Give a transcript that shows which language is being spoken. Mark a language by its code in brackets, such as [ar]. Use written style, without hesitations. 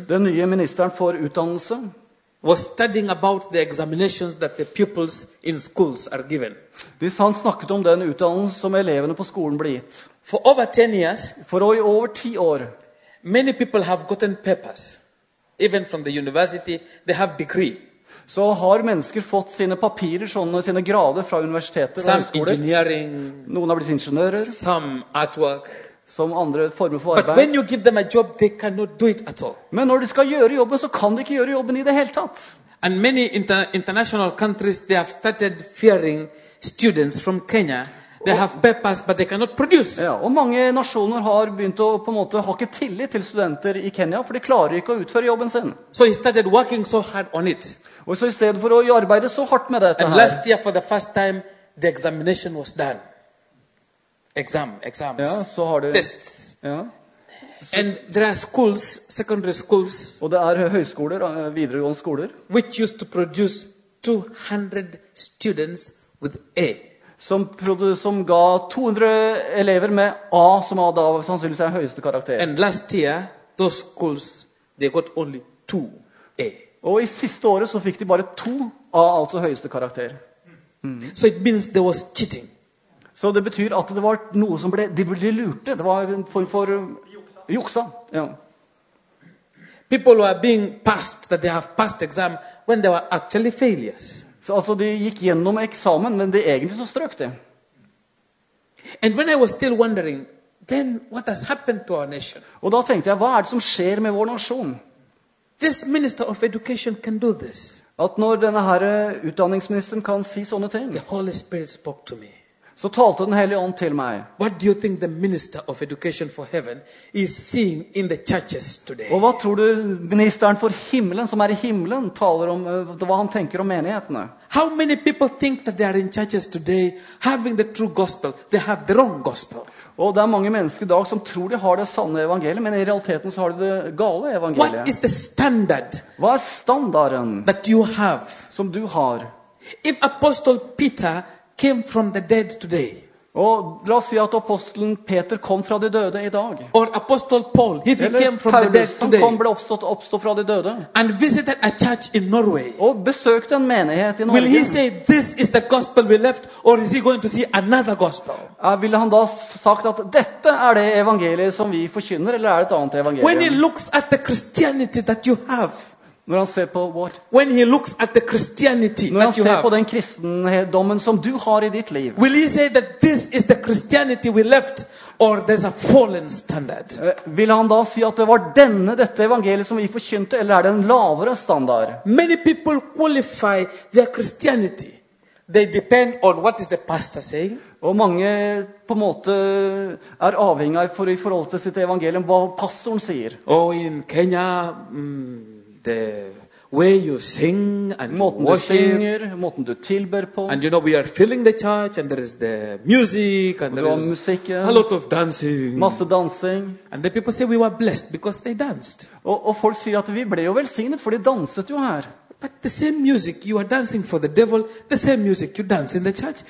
[sv] Den nya ministern för utbildning. [en] Was studying about the examinations that the pupils in schools are given. [sv] Det han snackade om den utbildning som eleverna på skolan blir gett. [en] For over 10 years. [sv] För över 10 år. [en] Many people have gotten papers, even from the university. They have degree. [sv] Så har människor fått sina papper, såna sina grader från universitetet och skolor. [en] Some engineering. [sv] Någon har blivit ingenjörer. [en] Some artwork. [sv] Som andra former för arbete. [en] But when you give them a job, they cannot do it at all. [sv] Men när de ska göra jobben så kan de inte göra jobben i det helt tatt. [en] And many international countries, they have started fearing students from Kenya. They have papers, but they cannot produce. [sv] Ja, och många nationer har börjat på en måte hake tillit till studenter i Kenya, för de klarar inte att utföra jobben sen. [en] So he started working so hard on it. [sv] Och så istället för att arbeta så hårt med det. [en] And last year, for the first time, the examination was done. Exams. [sv] Ja, så har du [en] tests. [sv] Ja. Så. [en] And there are schools, secondary schools. [sv] Och det är högskolor, vidaregående skolor. [en] Which used to produce 200 students with A. [sv] Som ga 200 elever med A som hade av sannolikt är högsta karaktär. [en] And last year, those schools, they got only 2 A. [sv] Och i sista året så fick de bara 2 A, alltså högsta karaktär. [en] Mm. So it means there was cheating. [sv] Så det betyder att det var något som blev de blev lurade. Det var en form för juksa. Ja. [en] People were being passed that they have passed exam when they were actually failures. [sv] Så alltså de gick igenom examen men det egentligen så strök det. [en] And when I was still wondering, then what has happened to our nation? [sv] Och då tänkte jag, vad är det som sker med vår nation? [en] This minister of education can do this. [sv] Att när den här utbildningsministern kan säga såna ting. [en] The Holy Spirit spoke to me. [sv] Så talade den helige ånd till mig. [en] What do you think the minister of education for heaven is seeing in the churches today? [sv] Och vad tror du ministern för himlen som är i himlen talar om vad han tänker om menigheterna? [en] How many people think that they are in churches today having the true gospel? They have the wrong gospel. [sv] Och det är många människor idag som tror de har det sanna evangeliet, men i realiteten så har de det gale evangeliet. [en] What is the standard? [sv] Vad är standarden? [en] That you have. [sv] Som du har. [en] If apostle Peter came from the dead today. [sv] Och låt oss säga att aposteln Peter kom från de döda idag. [en] Or apostle Paul, if he came from [sv] Paulus, [en] the dead today. [sv] Han kom blev uppstå från de döda. [en] And visited a church in Norway. [sv] Och besökte en menighet i Norge. [en] Will he say this is the gospel we left, or is he going to see another gospel? [sv] Vill han då sagt att detta är det evangeliet som vi förkynner, eller är det ett annat evangelium? [en] When he looks at the Christianity that you have. [sv] När han ser på [en] what? When he looks at the Christianity that you have. [sv] När han ser på den kristendomen som du har i ditt liv. [en] Will he say that this is the Christianity we left, or there's a fallen standard? [sv] Vill han då säga si att det var detta evangeliet som vi förkynte, eller är det en lavere standard? [en] Many people qualify their Christianity. They depend on what is the pastor saying. [sv] Och många på måte är avhängiga för i förhållande till sitt evangelium vad pastorn säger. [en] Oh, in Kenya. The way you sing and [sv] måten [en] worship, [sv] du singer, måten du tillber på. [en] And you know we are filling the church and there is the music and there is [sv] musiken, [en] a lot of dancing. [sv] Massa dansing. [en] And the people say we were blessed because they danced. [sv] Och folk säger att vi blev välsignade för de dansade ju här. [en] But the same music you are dancing for the devil, the same music you dance in the church.